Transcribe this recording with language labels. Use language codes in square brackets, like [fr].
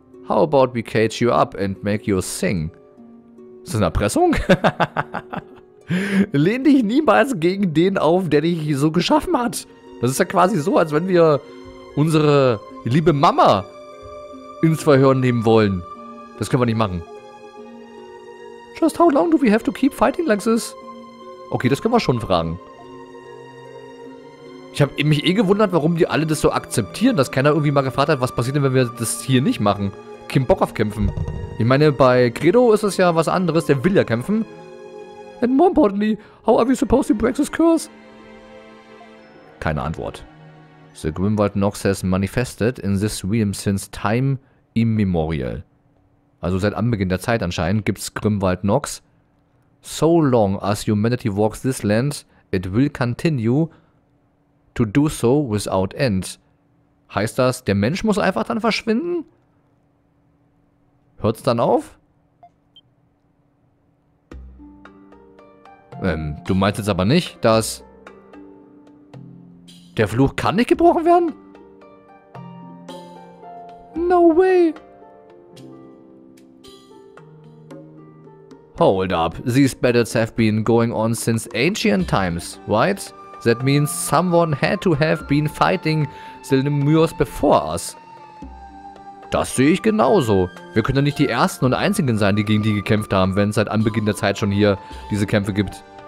[en] How about we cage you up and make you sing? [de] Ist das eine Erpressung? Lehn dich niemals gegen den auf, der dich so geschaffen hat. Das ist ja quasi so, als wenn wir unsere liebe Mama ins Verhör nehmen wollen. Das können wir nicht machen. [en] Just how long do we have to keep fighting like this? [de] Okay, das können wir schon fragen. Ich habe mich eh gewundert, warum die alle das so akzeptieren, dass keiner irgendwie mal gefragt hat, was passiert denn, wenn wir das hier nicht machen. Kein Bock auf Kämpfen. Ich meine, bei Credo ist es ja was anderes, der will ja kämpfen. [en] And more importantly, how are we supposed to break this curse? [de] Keine Antwort. [en] The Grimwald Nox has manifested in this realm since time immemorial. [de] Also seit Anbeginn der Zeit anscheinend gibt's Grimwald Nox. [en] So long as humanity walks this land, it will continue to do so without end. [de] Heißt das, der Mensch muss einfach dann verschwinden? Hört's dann auf? Du meinst jetzt aber nicht, dass der Fluch kann nicht gebrochen werden? [en] No way! Hold up, these battles have been going on since ancient times, right? That means someone had to have been fighting the Lemurs before us. [de] Das sehe ich genauso. Wir können ja nicht die ersten und einzigen sein, die gegen die gekämpft haben, wenn es seit Anbeginn der Zeit schon hier diese Kämpfe gibt.